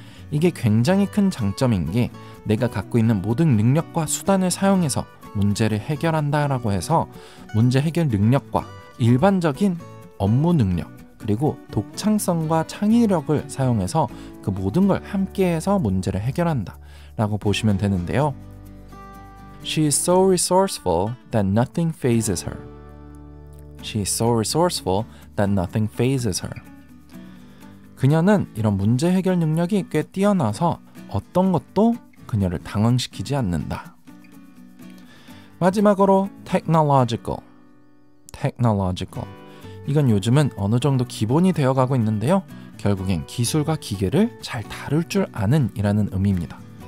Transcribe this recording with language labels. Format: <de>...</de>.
<ko>이게 굉장히 큰 장점인 게 내가 갖고 있는 모든 능력과 수단을 사용해서 문제를 해결한다 라고 해서 문제 해결 능력과 일반적인 업무 능력 그리고 독창성과 창의력을 사용해서 그 모든 걸 함께해서 문제를 해결한다 라고 보시면 되는데요.</ko> <en>She is so resourceful that nothing fazes her. She is so resourceful that nothing fazes her.</en> <ko>그녀는 이런 문제 해결 능력이 꽤 뛰어나서 어떤 것도 그녀를 당황시키지 않는다. 마지막으로 technological. technological. 이건 요즘은 어느 정도 기본이 되어가고 있는데요. 결국엔 기술과 기계를 잘 다룰 줄 아는 이라는 의미입니다.</ko>